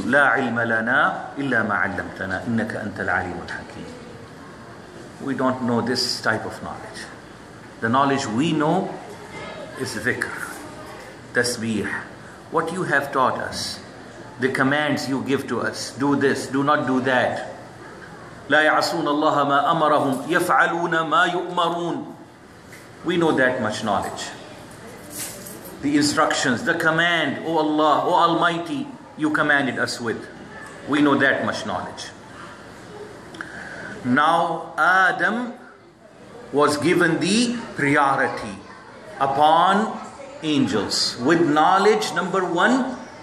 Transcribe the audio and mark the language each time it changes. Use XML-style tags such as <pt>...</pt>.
<ar>لَا عِلْمَ لَنَا إِلَّا مَا عَلَّمْتَنَا إِنَّكَ أَنْتَ الْعَلِيمُ الْحَكِيمُ.</ar> <en>We don't know this type of knowledge. The knowledge we know is dhikr, tasbih. What you have taught us, the commands you give to us, do this, do not do that.</en> <ar>لا يعصون الله ما أمرهم يفعلون ما يؤمرون.</ar> <en>We know that much knowledge. The instructions, the command, O Allah, O Almighty, you commanded us with. We know that much knowledge. Now Adam was given the priority upon angels with knowledge, number one.</en>